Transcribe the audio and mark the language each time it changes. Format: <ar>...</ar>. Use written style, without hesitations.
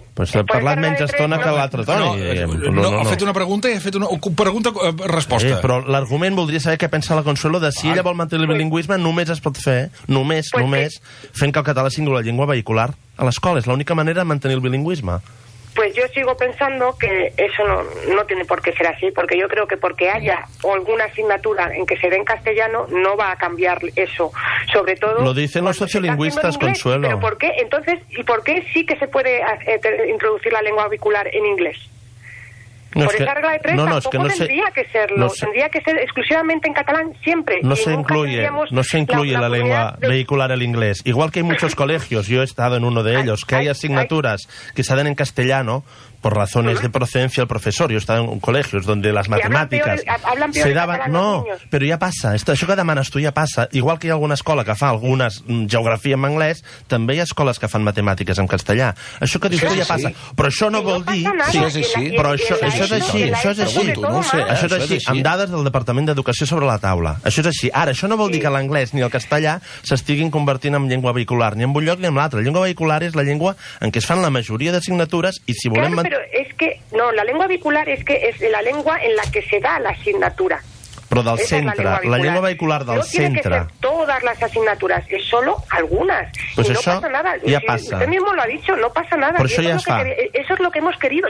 <ca>Però s'ha parlat menys estona que l'altre, Toni. No, ha fet una pregunta i ha fet una... Pregunta-resposta. Però l'argument voldria saber què pensa la Consuelo de si ella vol mantenir el bilingüisme, només es pot fer, només, fent que el català sigui la llengua vehicular a l'escola. És l'única manera de mantenir el bilingüisme.</ca> <es>Pues yo sigo pensando que eso no tiene por qué ser así, porque yo creo que porque haya alguna asignatura en que se dé en castellano, no va a cambiar eso, sobre todo... Lo dicen los sociolingüistas, inglés, Consuelo. ¿Pero por qué? Entonces, ¿y por qué sí que se puede introducir la lengua vehicular en inglés? No, por esa regla de tres tendría que serlo, no tendría que ser exclusivamente en catalán siempre. No se incluye la lengua vehicular al inglés. Igual que hay muchos colegios, yo he estado en uno de ellos, hay asignaturas que se dan en castellano por razones de procedencia del profesor. Yo he estado en colegios donde las matemáticas se daban... No, pero ya pasa.</es> <ca>Això que demanes</ca> <es>tú ya pasa. Igual que hay alguna escuela que</es> <ca>fa</ca> <es>algunas geografía en</es> <ca>anglès, també hi ha escoles que fan matemàtiques en castellà. Això que dius</ca> <es>tú ya pasa.</es> <ca>Però això no vol dir... Això és així. Amb dades del Departament d'Educació sobre la taula. Això és així. Ara, això no vol dir que l'anglès ni el castellà s'estiguin convertint en llengua vehicular, ni en un lloc ni en l'altre. La llengua vehicular és la llengua en què es fan la majoria d'assignatures i si volem...</ca> <es>Pero es que no, la lengua vehicular es que es la lengua en la que se da la asignatura.</es> <ca>Però del centre, la llengua vehicular del centre.</ca> <es>No tiene que ser todas las asignaturas, es solo algunas. Pues y no pasa nada.</es> <ca>Ja passa.</ca> <es>Usted mismo lo ha dicho, no pasa nada.</es> <ca>Però això ja es fa.</ca> <es>Eso es lo que hemos querido.</es>